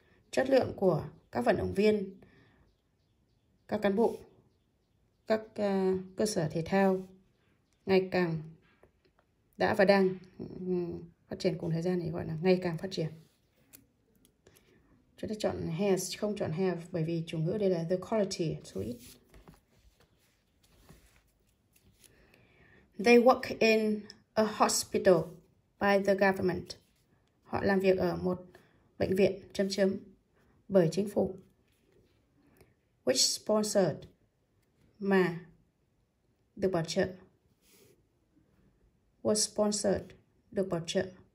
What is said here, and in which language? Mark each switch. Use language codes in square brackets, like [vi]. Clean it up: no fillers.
[vi] Chất lượng của các vận động viên, các cán bộ, các cơ sở thể thao ngày càng, đã và đang phát triển cùng thời gian thì gọi là ngày càng phát triển. Chúng ta chọn has, không chọn have, bởi vì chủ ngữ đây là the quality, số ít. [en] They work in a hospital by the government. [vi] Họ làm việc ở một bệnh viện, chấm chấm, bởi chính phủ. [en] Which sponsored, [vi] mà được bảo trợ. [en] Was sponsored, [vi] được bảo trợ.